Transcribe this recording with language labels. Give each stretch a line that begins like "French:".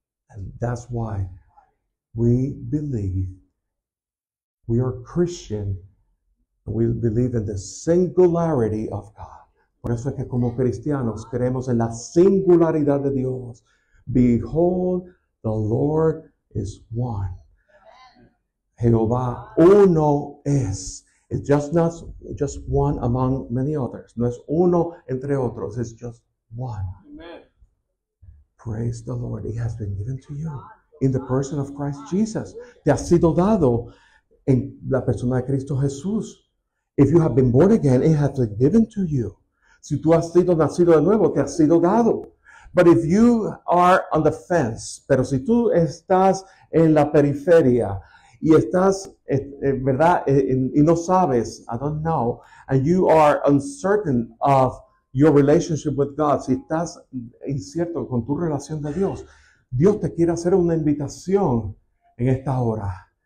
English: And that's why we believe, we are Christian, and we believe in the singularity of God.
Spanish: Por eso es que como cristianos creemos en la singularidad de Dios.
English: Behold, the Lord is one.
Spanish: Jehová uno es.
English: It's just one among many others.
Spanish: No es uno entre otros.
English: It's just one. Praise the Lord. It has been given to you in the person of Christ Jesus.
Spanish: Te ha sido dado en la persona de Cristo Jesús.
English: If you have been born again, it has been given to you.
Spanish: Si tú has sido nacido de nuevo, te ha sido dado.
English: But if you are on the fence,
Spanish: pero si tú estás en la periferia y estás, ¿verdad? Y no sabes,
English: I don't know, and you are uncertain of your relationship with God,
Spanish: si estás incierto con tu relación de Dios, Dios te quiere hacer una invitación en esta hora.